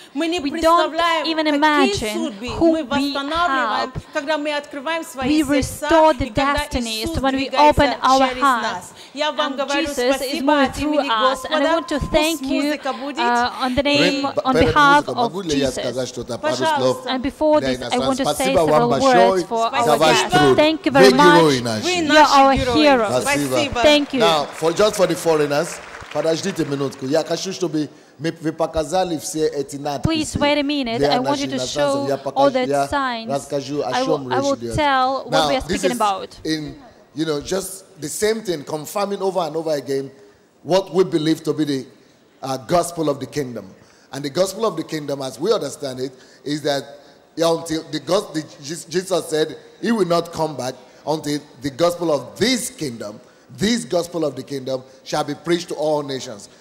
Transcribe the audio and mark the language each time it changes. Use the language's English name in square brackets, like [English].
[Russian] Мы не представляем, какие судьбы мы восстанавливаем, когда мы открываем свои сердца, и когда Иисус двигается через нас. Я вам говорю спасибо от имени Господа. Пусть музыка будет. [English] On behalf of Jesus. [Russian] Могу ли я сказать что-то пару слов? [English] And before this, I want to say several words for our guests. Thank you very much. [Russian] Вы наши герои. [English] You are our heroes. [Russian] Спасибо. [English] Thank you. Now, just for the foreigners, [Russian] подождите минутку. Я хочу, чтобы вы показали все эти надписи. [English] Please wait a minute. I want you to show all the signs. I will tell what we are speaking about. In, you know, just the same thing, confirming over and over again what we believe to be the gospel of the kingdom. And the gospel of the kingdom, as we understand it, is that until Jesus said he will not come back until the gospel of this kingdom, this gospel of the kingdom shall be preached to all nations.